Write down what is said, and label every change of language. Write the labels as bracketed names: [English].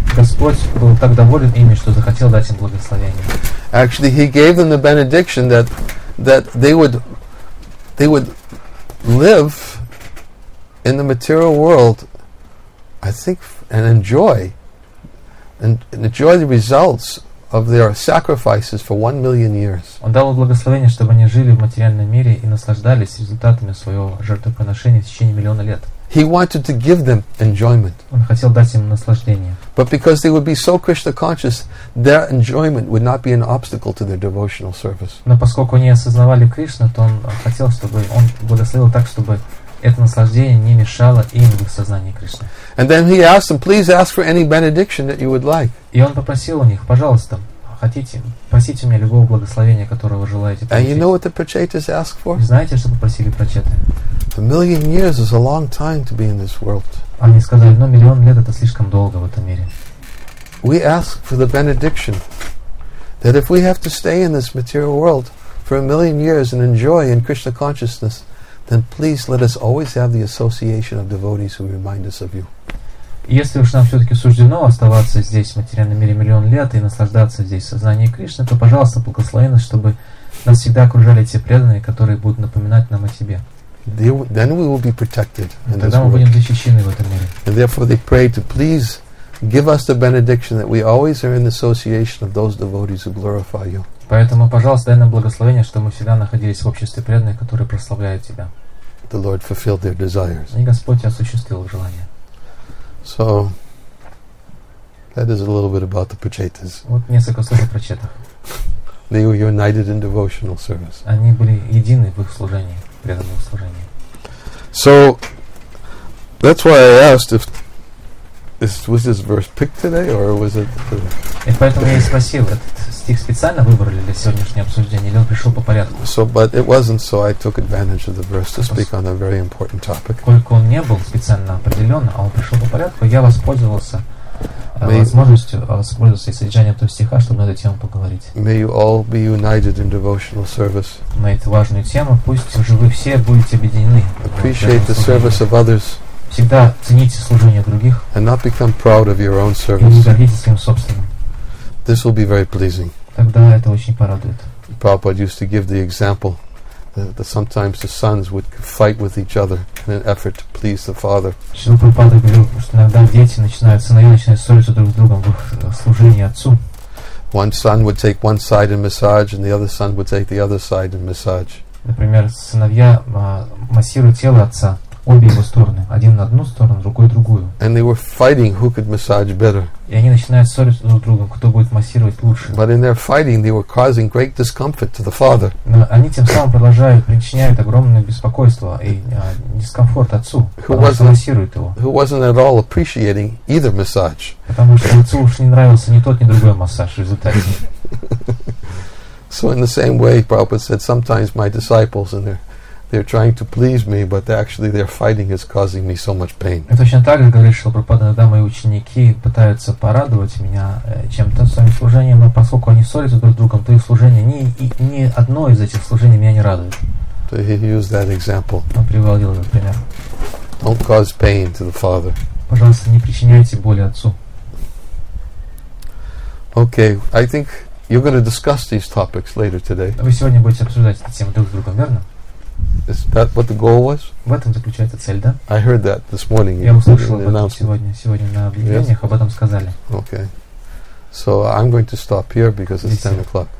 [Russian] Господь был так доволен ими, что захотел дать им благословение. [English] Actually, He gave them the benediction that they would live in the material world, I think, and enjoy the results of their sacrifices for 1,000,000 years. [Russian] Он дал благословение, чтобы они жили в материальном мире и наслаждались результатами своего жертвоприношения в течение миллиона лет. [English] He wanted to give them enjoyment. [Russian] Он хотел дать им наслаждение. [English] But because they would be so Krishna conscious, their enjoyment would not be an obstacle to their devotional service. [Russian] Но поскольку они осознавали Кришну, то он хотел, чтобы он благословил так, чтобы это наслаждение не мешало им в сознании Кришны. [English] And then he asked them, please ask for any benediction that you would like. [Russian] И он попросил у них, пожалуйста, хотите, просите у меня любого благословения, которое вы желаете получить. [English] And you know what the prachetas asked for? [Russian] Знаете, что попросили прачеты? [English] A million years is a long time to be in this world. [Russian] Они сказали, но миллион лет это слишком долго в этом мире. [English] We ask for the benediction that if we have to stay in this material world for 1,000,000 years and enjoy in Krishna consciousness, then please let us always have the association of devotees who remind us of you. [Russian] Если уж нам все-таки суждено оставаться здесь в материальном мире миллион лет и наслаждаться здесь сознанием Кришны, то, пожалуйста, благослови нас, чтобы нас всегда окружали те преданные, которые будут напоминать нам о себе. [English] Then we will be protected. [Russian] And тогда мы будем защищены в этом мире. [English] And therefore they pray to please give us the benediction that we always are in the association of those devotees who glorify you. [Russian] Поэтому, пожалуйста, дай нам благословение, что мы всегда находились в обществе преданных, которые прославляют тебя. [English] The Lord fulfilled their desires. [Russian] И Господь осуществил их желание. [English] So that is a little bit about the prachetas. [Russian] Вот несколько слов о прачетах. [English] They were united in devotional service. [Russian] Они были едины в их служении. Преданного служения. [English] So that's why I asked if was this verse picked today or was it [Russian] И поэтому я и спросил, этот стих специально выбрали для сегодняшнего обсуждения или он пришел по порядку? [English] So, but it wasn't, so I took advantage of the verse to speak on a very important topic. [Russian] Поскольку он не был специально определен, а он пришел по порядку, я воспользовался возможностью и содержанием этого стиха, чтобы на эту тему поговорить. [English] May you all be united in devotional service. [Russian] На эту важную тему, пусть уже вы все будете объединены. [English] Appreciate the service of others. [Russian] Всегда цените служение других. [English] And not become proud of your own service. [Russian] И не гордитесь своим собственным. [English] This will be very pleasing. [Russian] Тогда это очень порадует. [English] Prabhupada used to give the example. That sometimes the sons would fight with each other in an effort to please the father. [Russian] Шрила Прабхупада говорил, что иногда дети начинают, сыновья начинают ссориться друг с другом в служении отцу. [English] One son would take one side and massage, and the other son would take the other side and massage. [Russian] Например, сыновья массируют тело отца, обе его стороны, один на одну сторону, другой другую. [English] And they were fighting who could massage better. [Russian] И они начинают ссориться друг с другом, кто будет массировать лучше. [English] But in their fighting, they were causing great discomfort to the father. [Russian] Но они тем самым продолжают, причиняют огромное беспокойство и дискомфорт отцу, потому что массируют его. [English] Who wasn't at all appreciating either massage. [Russian] Потому что отцу уж не нравился ни тот, ни другой массаж в результате. [English] So in the same way, Prabhupada said, sometimes my disciples in their They're trying to please me, but actually their fighting is causing me so much pain. [Russian] Точно так же говорит Шрила Прабхупада, иногда мои ученики пытаются порадовать меня чем-то своим служением, но поскольку они ссорятся друг с другом, то их служение ни одно из этих служений меня не радует. [English] So he used that example. [Russian] Он приводил этот пример. [English] Don't cause pain to the father. [Russian] Пожалуйста, не причиняйте боли отцу. [English] Okay, I think you're going to discuss these topics later today. [Russian] Вы сегодня будете обсуждать эти темы друг с другом, верно? [English] Is that what the goal was? [Russian] В этом заключается цель, да? [English] I heard that this morning. [Russian] Я услышал об этом сегодня на объявлениях, yes? Об этом сказали. [English] Okay. So I'm going to stop here because it's 10 o'clock.